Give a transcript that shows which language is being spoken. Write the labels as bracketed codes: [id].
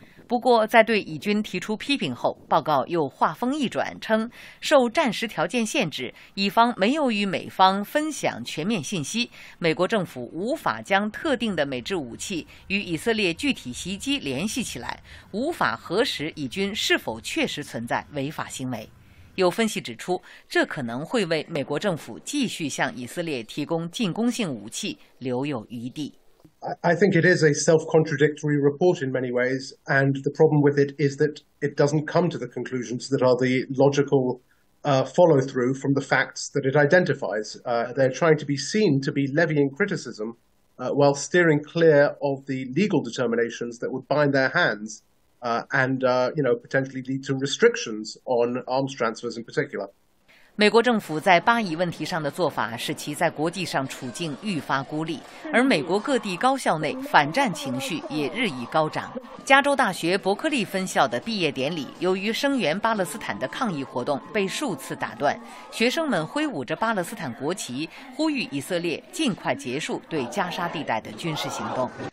[zh] 不过，在对以军提出批评后，报告又话锋一转，称受战时条件限制，以方没有与美方分享全面信息，美国政府无法将特定的美制武器与以色列具体袭击联系起来，无法核实以军是否确实存在违法行为。有分析指出，这可能会为美国政府继续向以色列提供进攻性武器留有余地。 [en] I think it is a self-contradictory report in many ways, and the problem with it is that it doesn't come to the conclusions that are the logical follow-through from the facts that it identifies. They're trying to be seen to be levying criticism while steering clear of the legal determinations that would bind their hands and potentially lead to restrictions on arms transfers in particular. [zh] 美国政府在巴以问题上的做法使其在国际上处境愈发孤立，而美国各地高校内反战情绪也日益高涨。加州大学伯克利分校的毕业典礼由于声援巴勒斯坦的抗议活动被数次打断，学生们挥舞着巴勒斯坦国旗，呼吁以色列尽快结束对加沙地带的军事行动。